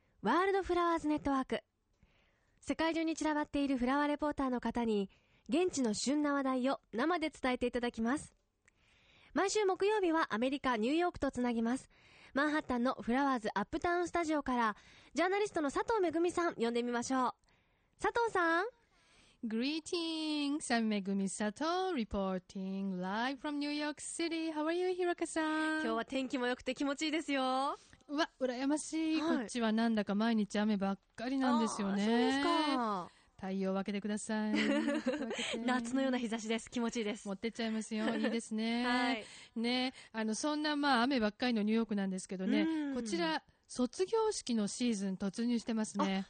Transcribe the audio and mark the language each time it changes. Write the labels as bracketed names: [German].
[Japanese] ワールドフラワーズネットワーク。世界中に散らばっているフラワーレポーターの方に現地の旬な話題を生で伝えていただきます。毎週木曜日はアメリカ・ニューヨークとつなぎます。マンハッタンのフラワーズアップタウンスタジオからジャーナリストの佐藤めぐみさん呼んでみましょう。佐藤さん、 [English] Greetings, I'm Megumi Sato, reporting live from New York City. How are you, Hiroka-san? [Japanese] 今日は天気も良くて気持ちいいですよ。うわ、羨ましい。はい、こっちはなんだか毎日雨ばっかりなんですよね。そうですか。太陽を分けてください。夏のような日差しです。気持ちいいです。持ってっちゃいますよ。いいですね。はい。ね、そんなまあ雨ばっかりのニューヨークなんですけどね、こちら、卒業式のシーズン突入してますね。